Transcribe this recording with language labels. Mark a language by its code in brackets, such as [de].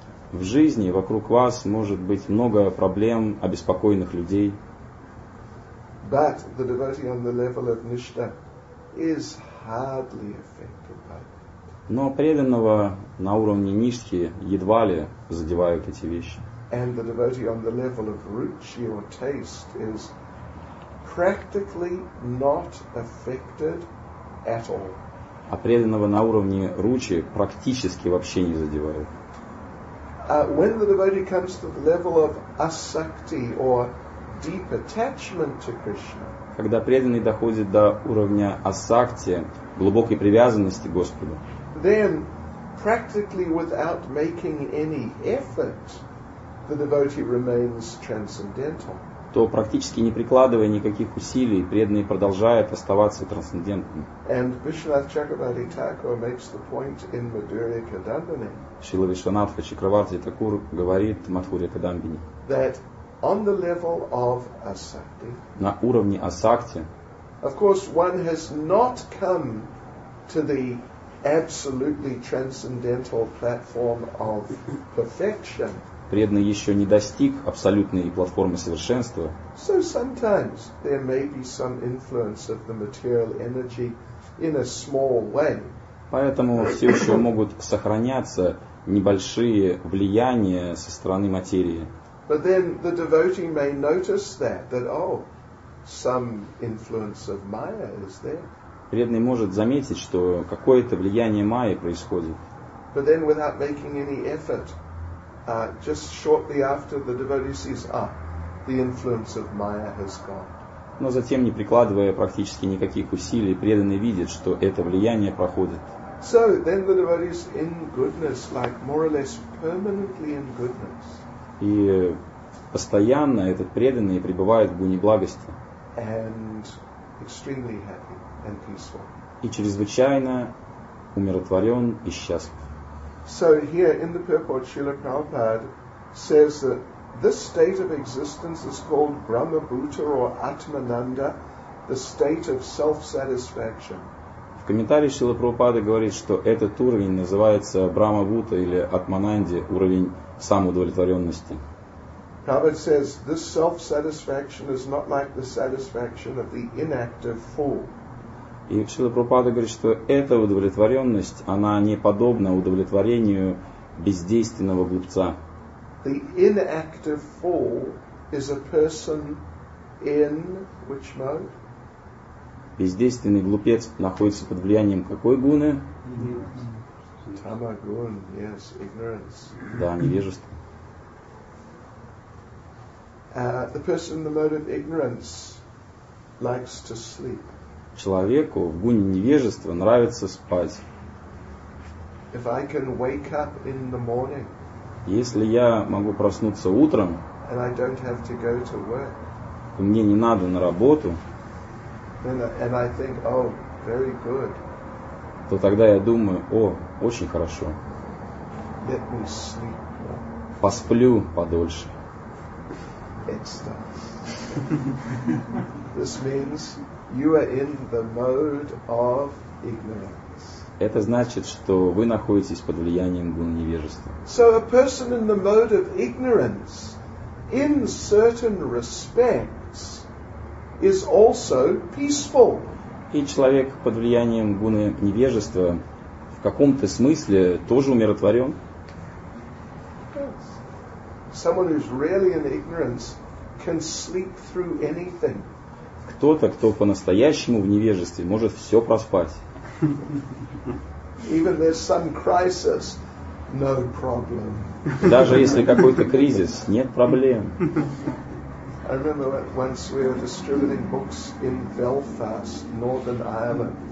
[ru] В жизни вокруг вас может быть много проблем, обеспокоенных людей. [en] But the devotee on the level of nishta is hardly affected by that. [ru] Но преданного на уровне ништхи едва ли задевают эти вещи. [en] And the devotee on the level of ruchi or taste is practically not affected at all. [ru] А преданного на уровне ручи практически вообще не задевают. [en] When the devotee comes to the level of asakti or deep attachment to Krishna. [ru] Когда преданный доходит до уровня асакти, глубокой привязанности к Господу. [en] Then practically without making any effort, the devotee remains transcendental. [ru] То практически не прикладывая никаких усилий, преданный продолжает оставаться трансцендентным. [en] And Vishwanatha Chakravarti Thakur makes the point in Madhurya Kadambini. [ru] Шрила Вишванатха Чакраварти Такур говорит Мадхурья Кадамбини. [en] That on the level of asakti. [ru] На уровне асакти. [en] Of course, one has not come to the absolutely transcendental platform of perfection. [ru] Преданный еще не достиг абсолютной платформы совершенства. [en] So sometimes there may be some influence of the material energy in a small way. [ru] Поэтому все еще могут сохраняться небольшие влияния со стороны материи. [en] But then the devotee may notice that oh, some influence of Maya is there. [ru] Преданный может заметить, что какое-то влияние Майи происходит. [en] But then without making any effort, just shortly after the devotee sees, the influence of Maya has gone. [ru] Но затем, не прикладывая практически никаких усилий, преданный видит, что это влияние проходит. [en] So then the devotee is in goodness, like more or less permanently in goodness. [ru] И постоянно этот преданный пребывает в гуне благости. [en] And extremely happy and peaceful. [ru] И чрезвычайно умиротворен и счастлив. [en] So here in the purport, Srila Prabhupada says that this state of existence is called Brahma Bhuta or Atmananda, the state of self-satisfaction. [ru] В комментарии Шрилы Прабхупады говорит, что этот уровень называется Брахма-бхута или Атмананди, уровень самоудовлетворенности. [en] Prabhupada says, this self-satisfaction is not like the satisfaction of the inactive fool. [ru] И Шрила Прабхупада говорит, что эта удовлетворенность, она не подобна удовлетворению бездейственного глупца. [en] The inactive fool is a person in which mode? [ru] Бездейственный глупец находится под влиянием какой гуны? [en] Тамагун, yes, ignorance. [ru] Да, невежество. [en] The person in the mode of ignorance likes to sleep. [ru] Человеку в гуне невежества нравится спать. [en] If I can wake up in the morning, [ru] если я могу проснуться утром, [en] and I don't have to go to work, [ru] и мне не надо на работу, [en] and I think, oh, very good, [ru] то тогда я думаю, о, очень хорошо. [en] Let me sleep. [ru] Посплю подольше. [en] This means you are in the mode of ignorance. [ru] Это значит, что вы находитесь под влиянием гуны невежества. [en] So a person in the mode of ignorance, in certain respects, is also peaceful. [ru] И человек под влиянием гуны невежества в каком-то смысле тоже умиротворен. [en] Someone who's really in ignorance can sleep through anything. [ru] Кто-то, кто по-настоящему в невежестве, может все проспать. [en] Even there's some crisis, no problem. [ru] Даже если какой-то кризис, нет проблем. [en] I remember once we were distributing books in Belfast, Northern Ireland.